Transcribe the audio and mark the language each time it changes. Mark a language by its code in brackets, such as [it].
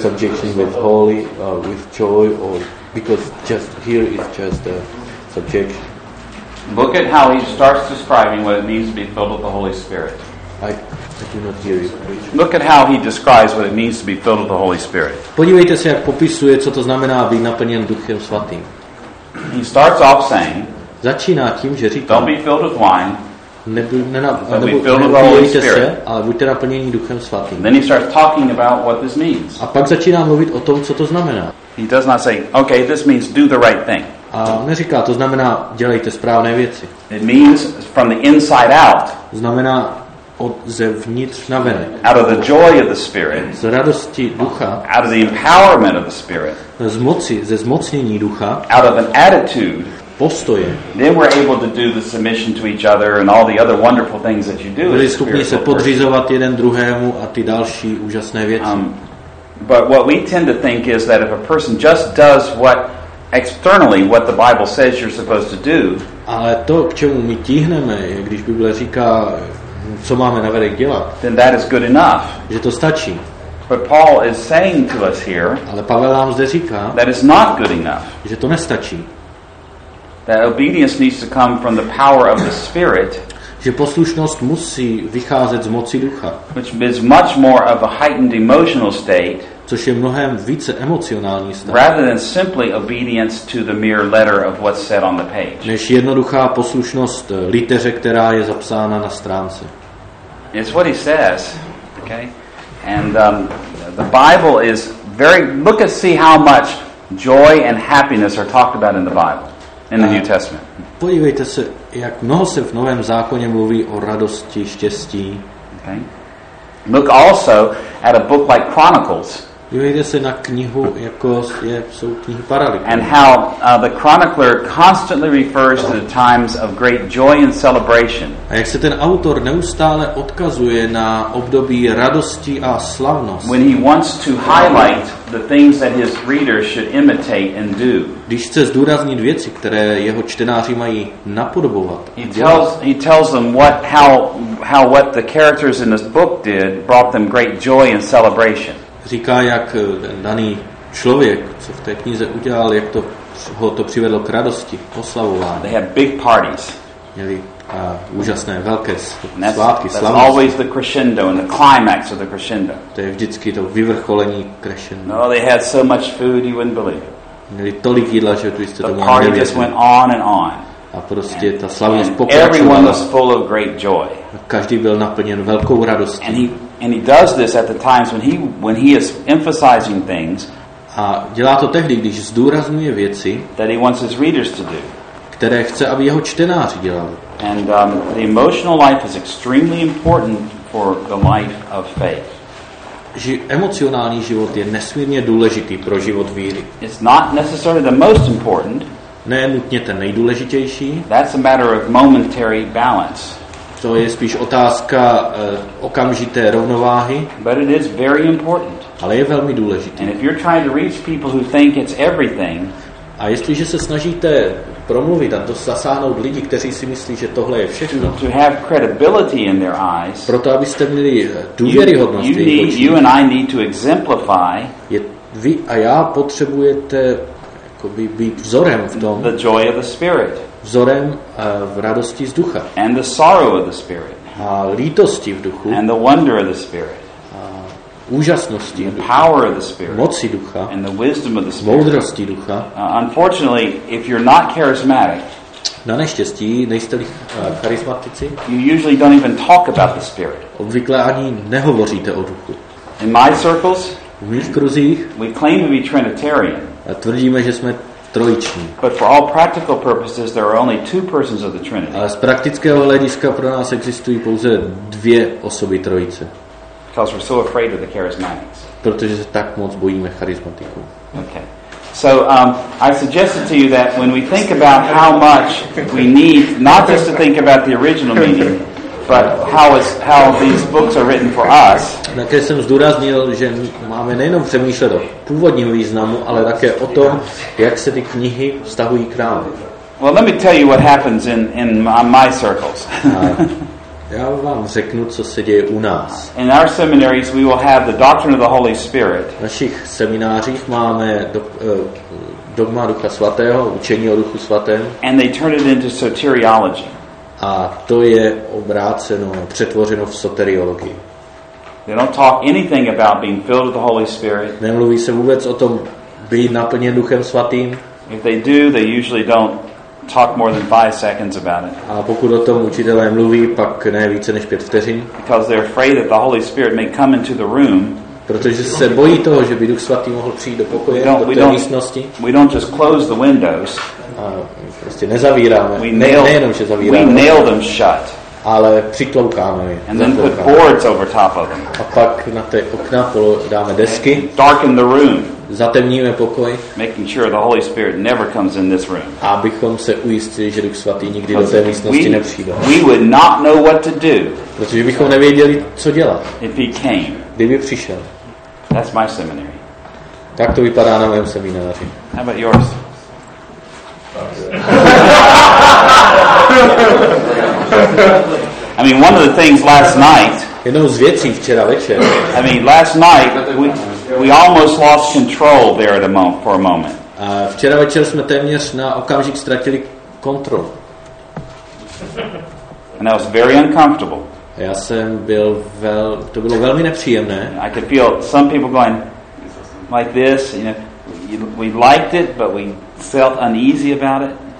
[en] subjection with holy, with joy, or because just here is just a subjection. Look at how he starts describing what it means to be filled with the Holy Spirit. I do not hear you. Look at how he describes what it means to be filled with the Holy Spirit. [cs] Podívejte se, jak popisuje, co to znamená být naplněn Duchem Svatým. [en] He starts off saying, [cs] začíná tím, že říká, [en] don't be filled with wine, [cs] ale buďte naplněni Duchem Svatým. [en] Then he starts talking about what this means. [cs] A pak začíná mluvit o tom, co to znamená. [en] He does not say, okay, this means do the right thing. [cs] A neříká, to znamená, dělejte správné věci. [en] It means from the inside out. [cs] Znamená od zevnitř na venek. [en] Out of the joy of the Spirit. [cs] Z radosti Ducha. [en] Out of the empowerment of the Spirit. [cs] Z moci, ze zmocnění Ducha. [en] Out of an attitude. [cs] Postoje. [en] Then we're able to do the submission to each other and all the other wonderful things that you do. [cs] Byli schopni se podřizovat jeden druhému a ty další úžasné věci. [en] But what we tend to think is that if a person just does what externally what the Bible says you're supposed to do. [cs] Ale to, k čemu my tíhneme, je, když Bible říká, co máme navenek dělat, [en] then that is good enough. [cs] Že to stačí. [en] But Paul is saying to us here, [cs] ale Pavel nám zde říká, [en] that is not good enough. [cs] Že to nestačí. [en] That obedience needs to come from the power of the Spirit. [cs] Že poslušnost musí vycházet z moci Ducha. [en] Which is much more of a heightened emotional state. [cs] Což je mnohem více emocionální stav. [en] Rather than simply obedience to the mere letter of what's said on the page. [cs] Než jednoduchá poslušnost liteře, která je zapsána na stránce. [en] It's what he says, okay? And the Bible is very. Look and see how much joy and happiness are talked about in the Bible. In the New Testament. [cs] Podívejte se, jak mnoho se v Novém zákoně mluví o radosti, štěstí. [en] Okay. Look also at a book like Chronicles. [cs] Podívejte se na knihu, jako je, jsou knihy Paralipomenon. [en] And how the chronicler constantly refers to the times of great joy and celebration. [cs] A jak se ten autor neustále odkazuje na období radosti a slavnost. [en] When he wants to highlight the things that his readers should imitate and do. [cs] Když chce zdůraznit věci, které jeho čtenáři mají napodobovat. [en] He tells them how what the characters in this book did brought them great joy and celebration. [cs] Říká, jak ten daný člověk, co v té knize udělal, jak to ho to přivedlo k radosti, oslavování. [en] They had big parties. [cs] Měli úžasné velké svátky, slavnosti. [en] That's always the crescendo and the climax of the crescendo. [cs] To je vždycky to vyvrcholení crescendo. [en] No, they had so much food you wouldn't believe. [cs] Měli tolik jídla, že to jistě tomu nevěděli. [en] The party just went on and on. [cs] A prostě ta slavnost pokračovala. [en] Everyone was full of great joy. [cs] Každý byl naplněn velkou radostí. [en] And he does this at the times when he is emphasizing things. [cs] A dělá to tehdy, když zdůrazňuje věci, [en] that he wants his readers to do. [cs] Které chce, aby jeho čtenáři dělali. [en] And the emotional life is extremely important for the life of faith. [cs] Emocionální život je nesmírně důležitý pro život víry. [en] It's not necessarily the most important. [cs] Ne je nutně ten nejdůležitější. [en] That's a matter of momentary balance. [cs] To je spíš otázka okamžité rovnováhy. [en] But it is very important. [cs] Ale je velmi důležitý. [en] And if you're trying to reach people who think it's everything, [cs] a jestliže se snažíte promluvit a zasáhnout lidi, kteří si myslí, že tohle je všechno, [en] to have credibility in their eyes, [cs] proto abyste měli důvěryhodnost v jejich očích, [en] you and I need to exemplify, [cs] je, vy a já potřebujete jakoby být vzorem v tom, [en] the joy of the Spirit. [cs] Vzorem v radosti z Ducha. [en] And the sorrow of the Spirit. [cs] A lítosti v Duchu. [en] And the wonder of the Spirit. [cs] A úžasnosti [en] the power of the Spirit. [cs] Moci Ducha. [en] And the wisdom of the Spirit. [cs] Moudrosti Ducha. [en] Unfortunately, if you're not charismatic, [cs] na neštěstí, nejste-li charismatici, [en] you usually don't even talk about the Spirit. [cs] Obvykle ani nehovoříte o Duchu. [en] In my circles, [cs] v mých kruzích, [en] we claim to be Trinitarian. [cs] A tvrdíme, že jsme trojiční. [en] But for all practical purposes, there are only two persons of the Trinity. [cs] Ale z praktického hlediska pro nás existují pouze dvě osoby trojice. [en] Because we're so afraid of the charismatics. [cs] Protože se tak moc bojíme charismatiků. [en] Okay. So I suggested to you that when we think about how much we need, not just to think about the original meaning, but how these books are written for us. [cs] Také jsem zdůraznil, že máme nejenom přemýšlet o původním významu, ale také o tom, jak se ty knihy vztahují k nám. [en] Well, let me tell you what happens in my circles. [cs] Já vám řeknu, co se děje u nás. [en] In our seminaries we will have the doctrine of the Holy Spirit. [cs] V našich seminářích máme dogma Ducha svatého, učení o Duchu svatém. [en] And they turn it into soteriology. [cs] A to je obráceno, přetvořeno v soteriologii. [en] They don't talk anything about being filled with the Holy Spirit. [cs] Nemluví se vůbec o tom být naplněn Duchem svatým. [en] If they do, they usually don't talk more than 5 seconds about it. [cs] A pokud o tom učitelé mluví, pak ne více než 5 vteřin. [en] Because they're afraid that the Holy Spirit may come into the room. [cs] Protože se bojí toho, že by Duch svatý mohl přijít do pokoje, do té místnosti. [en] We don't just close the windows. [cs] Prostě nezavíráme. Nejenom, že zavíráme. [en] We nail them shut. [cs] Ale přikloukáme je. [en] And then put boards over top of them. [cs] A pak na ty okna dáme desky. [en] Darken the room. [cs] Zatemníme pokoj. [en] Making sure the Holy Spirit never comes in this room. [cs] Abychom se ujistili, že Duch svatý nikdy do té místnosti nepřijde. [en] We would not know what to do. [cs] Protože bychom nevěděli, co dělat. [en] If he came. [cs] Kdyby přišel. [en] That's my seminary. [cs] Tak to vypadá na mém semináři. [en] How about yours? I mean, one of the things last night. [cs] Jednou z věcí včera večer. [en] I mean, last night we almost lost control there at a moment for a moment. [cs] Včera večer jsme téměř na okamžik ztratili kontrolu. [en] And I was very uncomfortable. [cs] Já jsem byl to bylo velmi nepříjemné. [en] I could feel some people going like this, you know. We liked it, but we felt uneasy about it.